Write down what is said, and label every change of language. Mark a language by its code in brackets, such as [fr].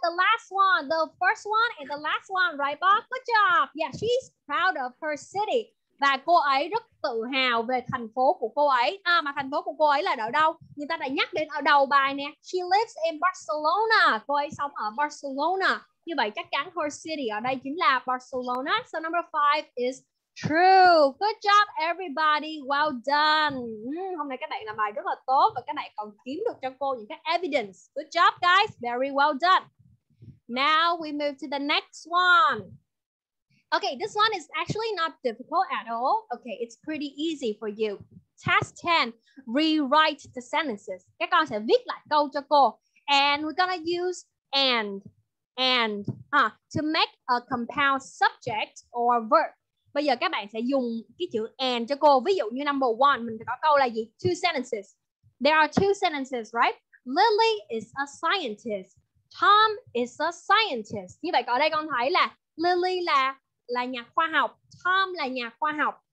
[en] The last one, the first one and the last one, right, Bob? Good job. Yeah, she's proud of her city. [vi] Và cô ấy rất tự hào về thành phố của cô ấy. À, mà thành phố của cô ấy là ở đâu? Người ta đã nhắc đến ở đầu bài nè. [en] She lives in Barcelona. [vi] Cô ấy sống ở Barcelona. Như vậy chắc chắn her city ở đây chính là Barcelona. [en] So number 5 is true. Good job everybody. Well done. [vi] Hôm nay các bạn làm bài rất là tốt. Và các bạn còn kiếm được cho cô những cái evidence. [en] Good job guys. Very well done. Now we move to the next one. Okay, this one is actually not difficult at all. Okay, it's pretty easy for you. Task 10, rewrite the sentences. [vi] Các con sẽ viết lại câu cho cô. [en] And we're gonna use and to make a compound subject or verb. [vi] Bây giờ các bạn sẽ dùng cái chữ and cho cô. Ví dụ như number 1, mình có câu là gì? [en] Two sentences. There are two sentences, right? Lily is a scientist. Tom is a scientist. [vi] Như vậy ở đây con thấy là Lily là nhà khoa học, Tom là nhà khoa học.